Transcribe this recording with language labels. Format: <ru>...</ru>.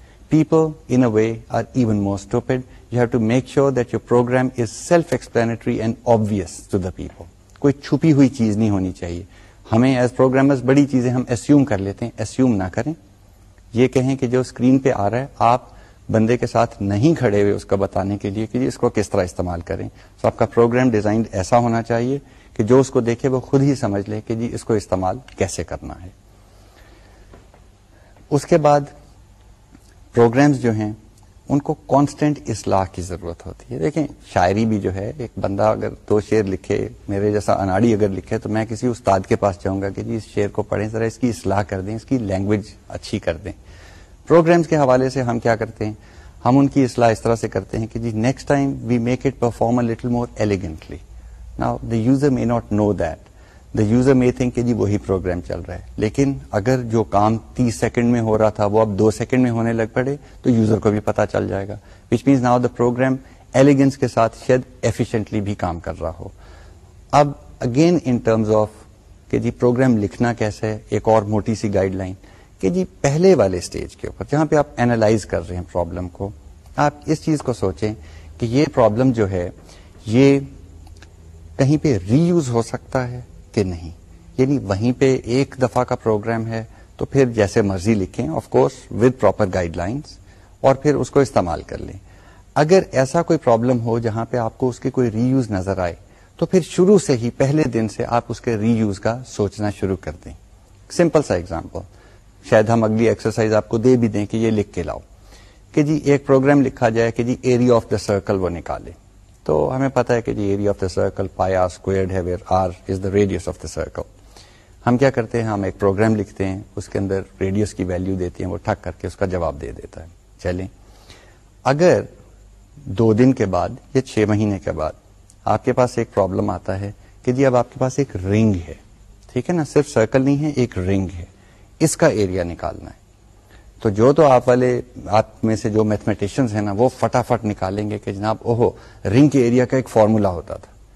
<en>People in a way are even more stupid, you have to make sure that your program is self explanatory and obvious to the people.</en> <ur>کوئی چھپی ہوئی چیز نہیں ہونی چاہیے. ہمیں ایز پروگرامرز بڑی چیزیں ہم ایسیوم کر لیتے ہیں, ایسیوم نہ کریں. یہ کہیں کہ جو اسکرین پہ آ رہا ہے آپ بندے کے ساتھ نہیں کھڑے ہوئے اس کا بتانے کے لیے کہ اس کو کس طرح استعمال کریں. سو آپ کا پروگرام ڈیزائن ایسا ہونا چاہیے کہ جو اس کو دیکھے وہ خود ہی سمجھ لے کہ جی اس کو استعمال کیسے کرنا ہے. اس کے بعد پروگرامز جو ہیں ان کو کانسٹنٹ اصلاح کی ضرورت ہوتی ہے. دیکھیں شاعری بھی جو ہے, ایک بندہ اگر دو شعر لکھے, میرے جیسا اناڑی اگر لکھے تو میں کسی استاد کے پاس جاؤں گا کہ جی اس شعر کو پڑھیں, ذرا اس کی اصلاح کر دیں, اس کی لینگویج اچھی کر دیں. پروگرامز کے حوالے سے ہم کیا کرتے ہیں, ہم ان کی اصلاح اس طرح سے کرتے ہیں کہ جی</ur> <en>Next time we make it perform a little more elegantly. Now, the user may not know that. The user may think</en> <ur>کہ جی وہی پروگرام چل رہا ہے, لیکن اگر جو کام 30 سیکنڈ میں ہو رہا تھا وہ اب 2 سیکنڈ میں ہونے لگ پڑے تو یوزر کو بھی پتا چل جائے گا,</ur> <en>which means now the program</en> <ur>elegance کے ساتھ شاید ایفیشنٹلی بھی کام کر رہا ہو. اب اگین ان ٹرمز آف کہ جی پروگرام لکھنا کیسے ہے, ایک اور موٹی سی گائیڈ لائن کہ جی پہلے والے اسٹیج کے اوپر جہاں پہ آپ اینالائز کر رہے ہیں پرابلم کو, آپ اس چیز کو سوچیں کہ یہ پرابلم جو ہے یہ کہیں پہ ری یوز ہو سکتا ہے کہ نہیں. یعنی وہیں پہ ایک دفعہ کا پروگرام ہے تو پھر جیسے مرضی لکھیں,</ur> <en>of course with proper guidelines,</en> <ur>اور پھر اس کو استعمال کر لیں. اگر ایسا کوئی پرابلم ہو جہاں پہ آپ کو اس کی کوئی ری یوز نظر آئے تو پھر شروع سے ہی پہلے دن سے آپ اس کے ری یوز کا سوچنا شروع کر دیں. سمپل سا ایگزامپل, شاید ہم اگلی ایکسرسائز آپ کو دے بھی دیں کہ یہ لکھ کے لاؤ کہ جی ایک پروگرام لکھا جائے کہ جی ایریا آف دا سرکل وہ نکالے. تو ہمیں پتا ہے کہ جی area of the circle pi are squared ہے,</ur> <en>Where r is the radius of the circle.</en> <ur>ہم کیا کرتے ہیں, ہم ایک پروگرام لکھتے ہیں, اس کے اندر ریڈیس کی ویلیو دیتے ہیں, وہ ٹھک کر کے اس کا جواب دے دیتا ہے. چلیں اگر دو دن کے بعد یا چھ مہینے کے بعد آپ کے پاس ایک پرابلم آتا ہے کہ جی اب آپ کے پاس ایک رنگ ہے, ٹھیک ہے نا, صرف سرکل نہیں ہے ایک رنگ ہے, اس کا ایریا نکالنا ہے, تو جو تو آپ والے آپ میں سے جو میتھمیٹیشنز ہیں نا وہ فٹافٹ نکالیں گے کہ جناب اوہو رنگ کے ایریا کا ایک فارمولا ہوتا تھا.</ur>